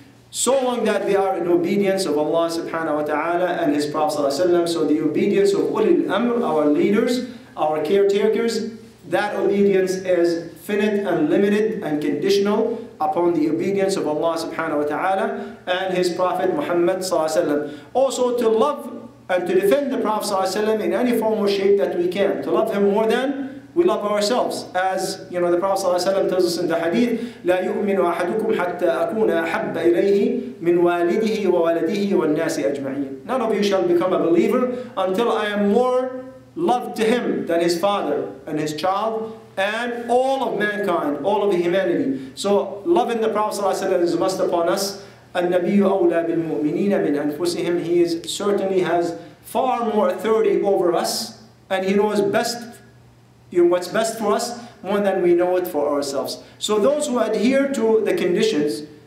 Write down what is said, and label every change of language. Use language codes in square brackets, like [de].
[en] so long that they are in obedience of Allah subhanahu wa ta'ala and His Prophet sallallahu alaihi wasallam. So the obedience of [ar] أولي الأمر, [en] our leaders, our caretakers, that obedience is finite and limited and conditional upon the obedience of Allah subhanahu wa ta'ala and His Prophet Muhammad sallallahu alaihi wasallam. Also to love and to defend the Prophet sallallahu alaihi wasallam in any form or shape that we can. To love him more than we love ourselves. As you know, the Prophet sallallahu alaihi wasallam tells us in the hadith, [ar] لا يؤمن أحدكم حتى أكون أحب إليه من والده ووالديه والناس أجمعين. [en] None of you shall become a believer until I am more loved to him than his father and his child and all of mankind, all of humanity. So loving the Prophet sallallahu alaihi wasallam is a must upon us. [ar] النَّبِيُّ أَوْلَى بِالْمُؤْمِنِينَ مِنْ أَنفُسِهِمْ, [en] he is certainly has far more authority over us, and he knows best, you know, what's best for us more than we know it for ourselves. So those who adhere to the conditions